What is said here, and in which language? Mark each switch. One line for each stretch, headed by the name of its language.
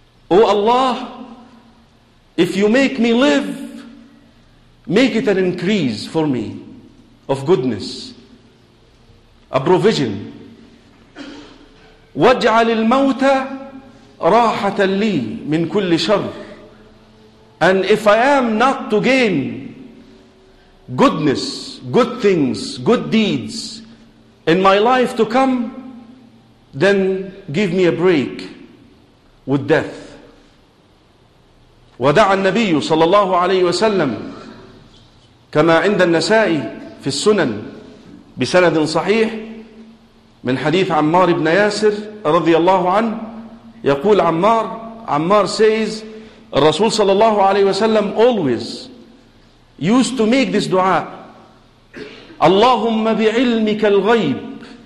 English: Oh Allah, if you make me live, make it an increase for me of goodness, a provision.
Arabic: واجعل الموت راحة لي من كل شر.
English: And if I am not to gain goodness, good things, good deeds in my life to come, Then give me a break with death.
Arabic: ودعا النبي صلى الله عليه وسلم كما عند النسائي في السنن بسند صحيح من حديث عمار بن ياسر رضي الله عنه يقول عمار
English: says
Arabic: الرسول صلى الله عليه وسلم
English: always used to make this
Arabic: دعاء اللهم بعلمك الغيب